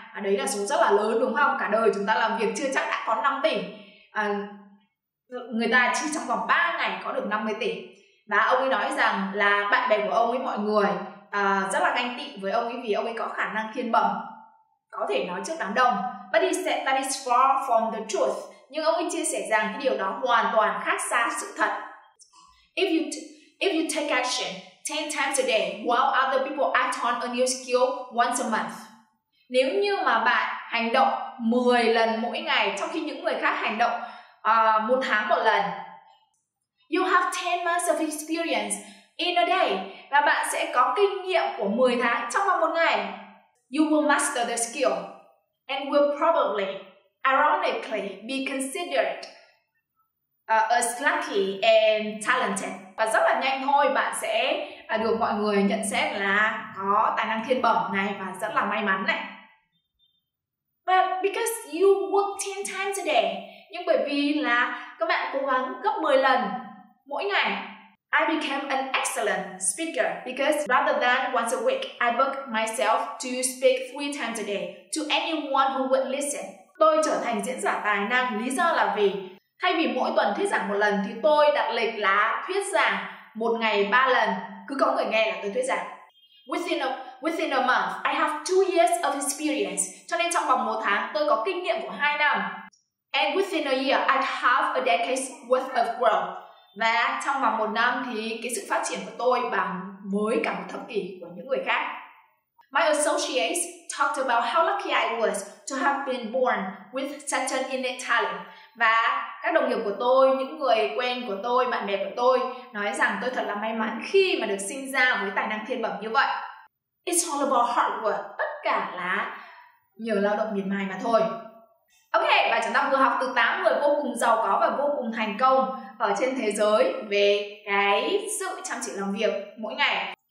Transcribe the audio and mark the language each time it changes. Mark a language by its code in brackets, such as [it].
[vi] Đấy là số rất là lớn đúng không? Cả đời chúng ta làm việc chưa chắc đã có 5 tỷ. người ta chỉ trong vòng 3 ngày có được 50 tỷ. Và ông ấy nói rằng là bạn bè của ông ấy, mọi người rất là ganh tị với ông ấy vì ông ấy có khả năng thiên bẩm, có thể nói trước đám đông. [en] But he said that is far from the truth. [vi] Nhưng ông ấy chia sẻ rằng cái điều đó hoàn toàn khác xa sự thật. [en] If you take action 10 times a day while other people act on a new skill once a month. [vi] Nếu như mà bạn hành động 10 lần mỗi ngày trong khi những người khác hành động một tháng một lần, [en] you have 10 months of experience in a day, [vi] và bạn sẽ có kinh nghiệm của 10 tháng trong vòng một ngày. [en] You will master the skill and will probably, ironically, be considered as lucky and talented. [vi] Và rất là nhanh thôi, bạn sẽ được mọi người nhận xét là có tài năng thiên bẩm này và rất là may mắn này. [en] But because you work 10 times a day, [vi] nhưng bởi vì là các bạn cố gắng gấp 10 lần mỗi ngày, [en] I became an excellent speaker because rather than once a week, I booked myself to speak 3 times a day to anyone who would listen. [vi] Tôi trở thành diễn giả tài năng lý do là vì thay vì mỗi tuần thuyết giảng một lần thì tôi đặt lịch là thuyết giảng một ngày 3 lần, cứ có người nghe là tôi thuyết giảng. [en] Within a month, I have 2 years of experience. [vi] Cho nên trong vòng 1 tháng tôi có kinh nghiệm của 2 năm. [en] And within a year, I have a decade's worth of growth. [vi] Và trong vòng 1 năm thì cái sự phát triển của tôi bằng với cả một thập kỷ của những người khác. [en] My associates talked about how lucky I was to have been born with such an innate talent. [vi] Và các đồng nghiệp của tôi, những người quen của tôi, bạn bè của tôi nói rằng tôi thật là may mắn khi mà được sinh ra với tài năng thiên bẩm như vậy. [en] It's all about hard work. [vi] Tất cả là nhờ lao động miệt mài mà thôi. Ok, và chúng ta vừa học từ 8 người vô cùng giàu có và vô cùng thành công ở trên thế giới về cái sự chăm chỉ làm việc mỗi ngày.